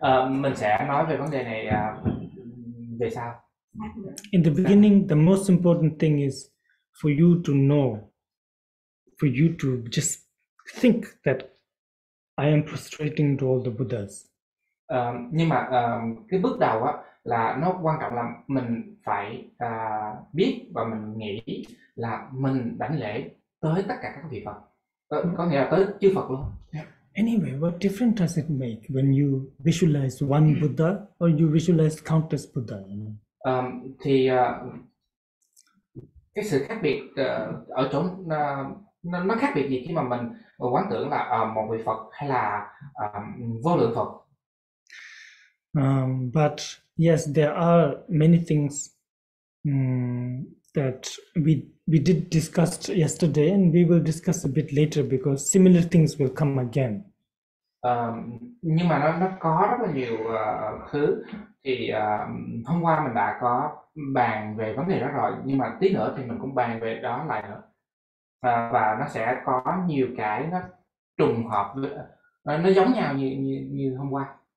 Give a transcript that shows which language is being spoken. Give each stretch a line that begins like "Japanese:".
Vietnamese: Mình sẽ nói về vấn đề này về sau.
English: In the beginning, the most important thing is for you to know, for you to just think that I am prostrating to all the Buddhas.
Vietnamese: Nhưng mà cái bước đầu á là nó quan trọng là mình phải biết và mình nghĩ là mình đảnh lễ tới tất cả các vị Phật, có nghĩa là tới chư Phật luôn.
English: Anyway, what difference does it make when you visualize one Buddha or you visualize countless Buddha?
Vietnamese: Thì cái sự khác biệt ở chỗ nó khác biệt gì khi mà mình quán tưởng là một vị Phật hay là vô lượng Phật?
English: But yes, there are many things that we did discuss yesterday, and we will discuss a bit later because similar things will come again.
Vietnamese: Nhưng mà nó có rất là nhiều thứ thì hôm qua mình đã có bàn về vấn đề đó rồi, nhưng mà tí nữa thì mình cũng bàn về đó lại nữa, và nó sẽ có nhiều cái nó trùng hợp với, nó giống nhau như hôm qua.